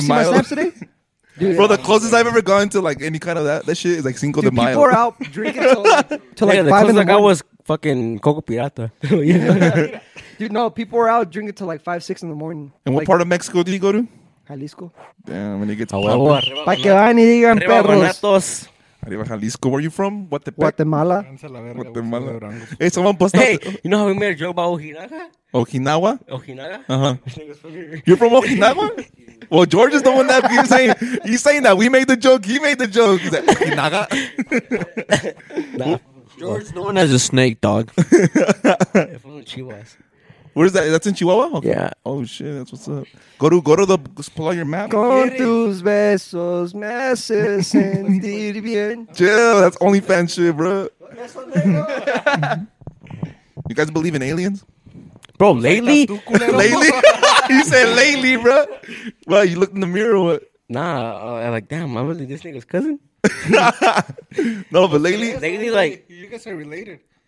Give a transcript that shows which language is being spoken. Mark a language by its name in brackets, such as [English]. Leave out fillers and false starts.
[English] Did you see my snaps today? Dude, bro, the closest I've ever gone to like any kind of that shit is like Cinco de Mayo. People are out drinking until like 5 in the morning. I was fucking Coco Pirata. Dude, no, people are out drinking till like 5, 6 in the morning. And like, what part of Mexico did you go to? Jalisco. Damn, when it gets popular. [Spanish] Pa' que van y digan perros. Arriba Jalisco. [English] Where are you from? Guatemala. Guatemala. Hey, someone posted. Hey, you know how we made a joke about Ojinaga? Ojinawa? Ojinaga? Uh-huh. You're from Ojinawa? Well, George is the one that keeps saying. He's saying that. We made the joke. He made the joke. He's like, Ojinaga? George, no one has a snake, dog. If I'm a Chihuahua. Where is that? That's in Chihuahua? Okay. Yeah. Oh, shit. That's what's up. Go to the... Pull out your map. [Spanish] Con tus besos me hace sentir bien. [English] Chill. That's OnlyFans shit, bro. You guys believe in aliens? Bro, lately? Lately? You said lately, bro. Well, you looked in the mirror or what? Nah. I'm like, damn. I'm really this nigga's cousin? No, but lately? Lately, like... You guys are related.